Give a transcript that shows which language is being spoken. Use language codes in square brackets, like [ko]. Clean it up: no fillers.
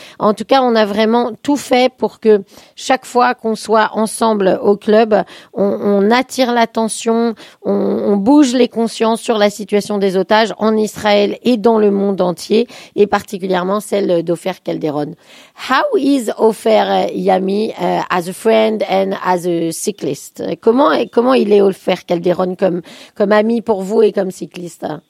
[fr] En tout cas, on a vraiment tout fait pour que chaque fois qu'on soit ensemble au club, on attire l'attention, on bouge les consciences sur la situation des otages en Israël et dans le monde entier, et particulièrement celle d'Ofer Calderon. [en] How is Ofer Yami as a friend and as a cyclist? [fr] Comment il est Ofer Calderon comme ami pour vous et comme cycliste?